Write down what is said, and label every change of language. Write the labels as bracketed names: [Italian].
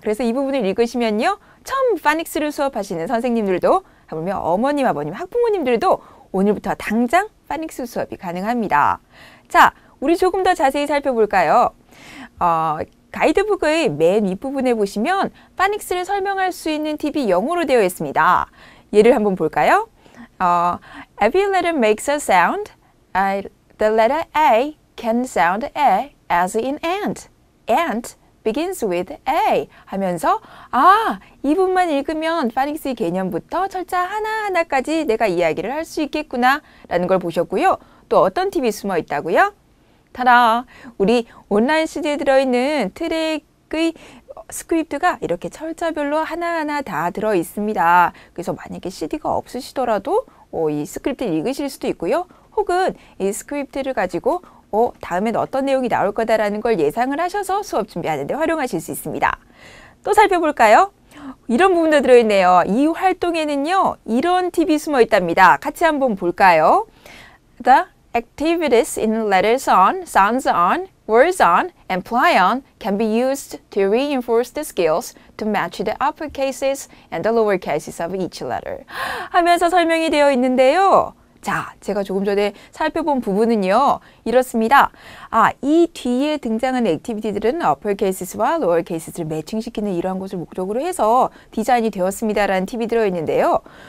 [Korean] 그래서 이 부분을 읽으시면요. 처음 파닉스를 수업하시는 선생님들도, 하물며 어머님, 아버님, 학부모님들도 오늘부터 당장 파닉스 수업이 가능합니다. 자, 우리 조금 더 자세히 살펴볼까요? 가이드북의 맨 윗부분에 보시면 파닉스를 설명할 수 있는 팁이 영어로 되어 있습니다. 예를 한번 볼까요? [English] Every letter makes a sound. The letter A can sound A as in ant. Ant begins with A [Korean] 하면서 아, 이 부분만 읽으면 파닉스의 개념부터 철자 하나하나까지 내가 이야기를 할 수 있겠구나 라는 걸 보셨고요. 또 어떤 팁이 숨어 있다고요? 타라, 우리 온라인 CD에 들어있는 트랙의 스크립트가 이렇게 철자별로 하나하나 다 들어있습니다. 그래서 만약에 CD가 없으시더라도 이 스크립트를 읽으실 수도 있고요. 혹은 이 스크립트를 가지고 다음엔 어떤 내용이 나올 거다라는 걸 예상을 하셔서 수업 준비하는데 활용하실 수 있습니다. 또 살펴볼까요? 이런 부분도 들어있네요. 이 활동에는요, 이런 팁이 숨어 있답니다. 같이 한번 볼까요? [English] The activities in letters on, sounds on, words on, and play on can be used to reinforce the skills to match the upper cases and the lower cases of each letter. [Korean] 하면서 설명이 되어 있는데요. 자, 제가 조금 전에 살펴본 부분은요, 이렇습니다. 아, 이 뒤에 등장한 액티비티들은 uppercases와 lowercases를 매칭시키는 이러한 것을 목적으로 해서 디자인이 되었습니다라는 팁이 들어있는데요.